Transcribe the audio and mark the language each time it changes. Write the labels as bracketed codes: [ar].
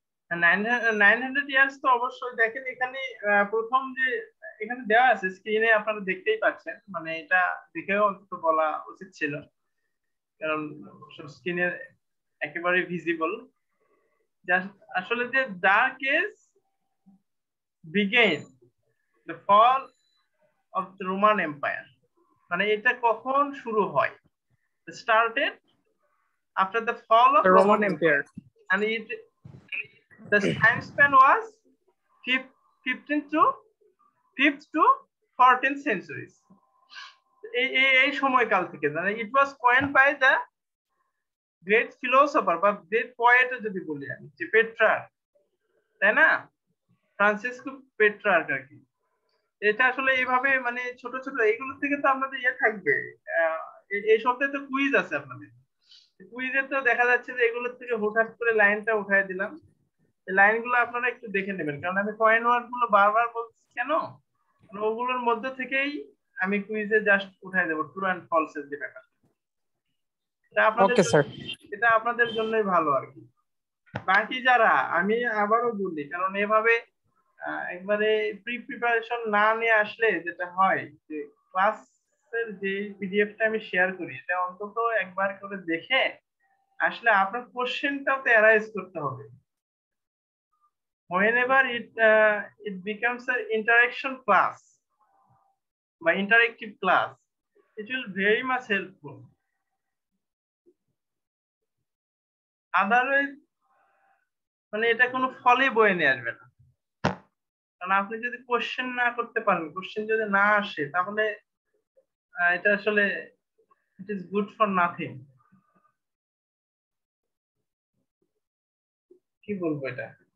[bn] 900 years তো অবশ্যই দেখেন, এখানে প্রথম যে এখানে দেওয়া আছে স্ক্রিনে আপনারা দেখতেই পাচ্ছেন, মানে এটা দেখেও অন্তত বলা উচিত ছিল কারণ স্ক্রিনে একেবারে ভিজিবল। [en] আসলে যে dark age began the fall of the Roman Empire, [bn] মানে এটা কখন শুরু হয়? [en] Started after the fall of Roman Empire, মানে it the time span was 15th to 14th centuries. [bn] এই সময়কাল থেকে, মানে [en] it was coined by the great philosopher [bn] বা [en] great poet [bn] যদি বলি আমি, যে পেট্রার, তাই না? ফ্রান্সিসকো পেট্রার আর কি। এটা আসলে এইভাবে মানে ছোট ছোট এইগুলো থেকে তো আপনাদের ইয়ে থাকবে, এই সপ্তাহে তো কুইজ আছে আপনাদের, কুইজে তো দেখা যাচ্ছে যে এগুলোর থেকে হঠাৎ করে লাইনটা উঠাই দিলাম। লাইন গুলো আপনারা একটু দেখে নেবেন, কারণ আমি কয়েন ওয়ার্ড গুলো বারবার বলছি কেন, ওগুলোর মধ্যে থেকেই আমি কুইজে জাস্ট উঠাই দেবো ট্রু অ্যান্ড ফলস এর যে ব্যাপার, এটা আপনাদের জন্যই ভালো আর কি। বাকি যারা আমি আবারও বলি, কারণ এভাবে একবারে প্রি প্রিপারেশন না নিয়ে আসলে যেটা হয় যে ক্লাসের যে পিডিএফ টা আমি শেয়ার করি এটা অন্তত একবার করে দেখে আসলে আপনার কোশ্চেনটাও তো অ্যারাইজ করতে হবে। [en] Whenever it becomes an interaction class, by interactive class, it will very much helpful. [bn] Otherwise, মানে এটা কোনো ফলে বয়ে নিয়ে আসবে না, কারণ আপনি যদি কোশ্চেন না করতে পারেন, কোশ্চেন যদি না আসে তাহলে এটা আসলে [en] it is good for nothing, [bn] কি বলবো এটা।